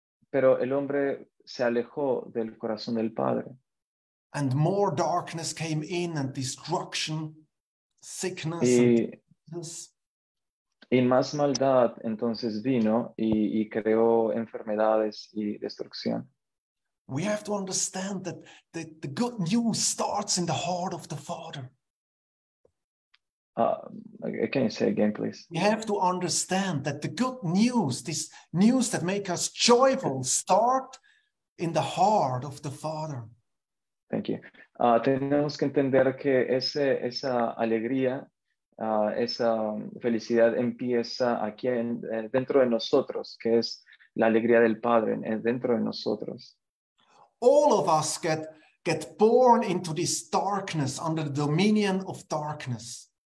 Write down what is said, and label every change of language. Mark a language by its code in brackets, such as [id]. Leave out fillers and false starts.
[es] Pero el hombre se alejó del corazón del Padre. [en] And more darkness came in and destruction, sickness. [es] Y más maldad entonces vino y creó enfermedades y destrucción. [en] We have to understand that the good news starts in the heart of the Father. Can you say again, please? We have to understand that the good news, this news that makes us joyful, start in the heart of the Father. Thank you. [es] Tenemos que entender que esa alegría, esa felicidad empieza aquí dentro de nosotros, que es la alegría del Padre dentro de nosotros. [en] All of us get born into this darkness under the dominion of darkness.